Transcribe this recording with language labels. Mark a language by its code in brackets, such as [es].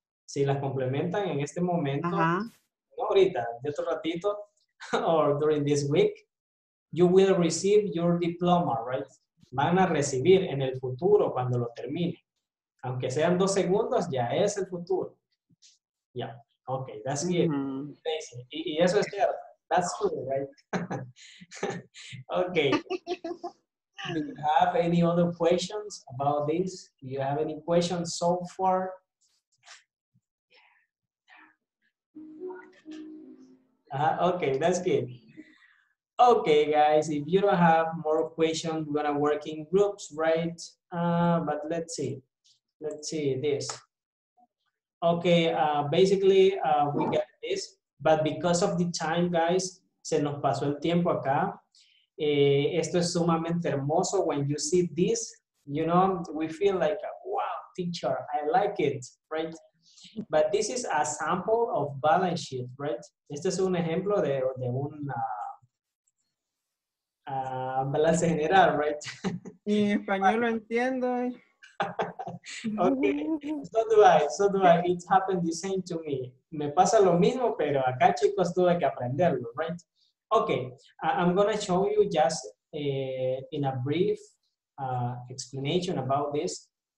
[es] Si las complementan en este momento, uh-huh. No ahorita, de otro ratito, [en] or during this week, you will receive your diploma, right? [es] Van a recibir en el futuro cuando lo termine. Aunque sean 2 segundos, ya es el futuro. [en] Yeah. Okay, that's good. [es] Mm-hmm. Y eso es cierto. [en] That's true, right? Okay. Do you have any other questions about this? Do you have any questions so far? Okay, that's good. Okay, guys, if you don't have more questions, we're gonna work in groups, right? But let's see. Let's see this. Okay, basically, we got this, but because of the time, guys, [es] se nos pasó el tiempo acá. Esto es sumamente hermoso. [en] When you see this, you know, we feel like, wow, teacher, I like it, right? But this is a sample of balance sheet, right? [es] Este es un ejemplo de un balance general, right? Mi español lo entiendo. [en] Okay, so do I. It happened the same to me. [es] Me pasa lo mismo, pero acá, chicos, tuve que aprenderlo, right? [en] Okay, I'm going to show you just in a brief explanation about this.